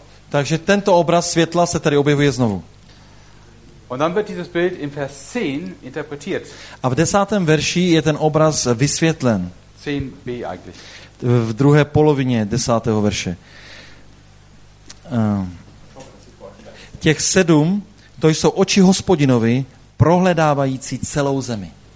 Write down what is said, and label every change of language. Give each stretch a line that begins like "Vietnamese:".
Czech: Takže tento obraz světla se tady objevuje znovu.
German: Und dann wird dieses Bild in Vers 10 interpretiert.
Czech: A v 10. verši je ten obraz vysvětlen.
German: 10b eigentlich.
Czech: V druhé polovině 10. verše. Těch 7, to jsou oči Hospodinovi, prohledávající celou zemi.